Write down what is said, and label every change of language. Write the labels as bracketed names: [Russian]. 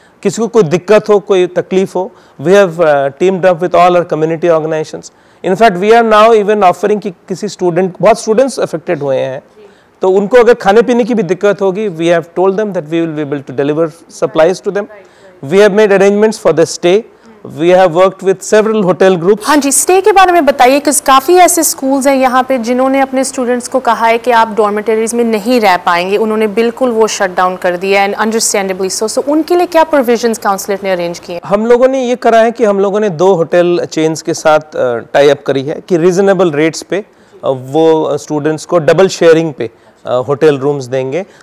[Hindi] किसी को कोई दिक्कत हो, कोई तकलीफ हो, [English] We have teamed up with all our community organisations. In fact we are now even offering [Hindi] किसी स्टूडेंट, बहुत स्टूडेंट्स अफेक्टेड हुए हैं, तो उनको अगर खाने पीने की भी दिक्कत होगी, [English] We have told them that we will be able to deliver supplies to them. We have made arrangements for the stay. We have worked with several hotel groups. [Hindi] हाँ जी, stay के बारे में बताइए, क्योंकि काफी ऐसे schools हैं यहाँ पे जिन्होंने अपने students को कहा है कि आप dormitories में नहीं रह पाएंगे, उन्होंने बिल्कुल वो shut down कर दिया, [English] and understandably so. [Hindi] So उनके लिए क्या provisions counselor ने arrange किए? हम लोगों ने ये करा है कि हम लोगों ने दो hotel chains के साथ tie up करी है कि reasonable rates पे वो students को double sharing पे होटल रूम्स देंगे.